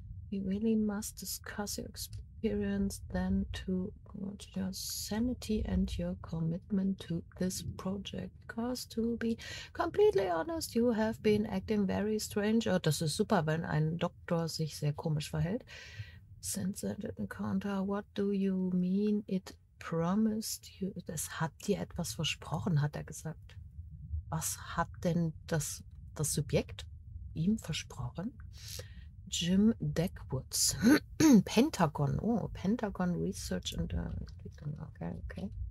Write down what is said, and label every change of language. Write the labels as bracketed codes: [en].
[en] We really must discuss your experience then to your sanity and your commitment to this project. Because to be completely honest, you have been acting very strange. [de] Oh, das ist super, wenn ein Doktor sich sehr komisch verhält. [en] Since that encounter, what do you mean it promised you? [de] Das hat dir etwas versprochen, hat er gesagt. Was hat denn das Subjekt ihm versprochen? [en] Jim Deckwoods, Pentagon. Oh, Pentagon Research and okay.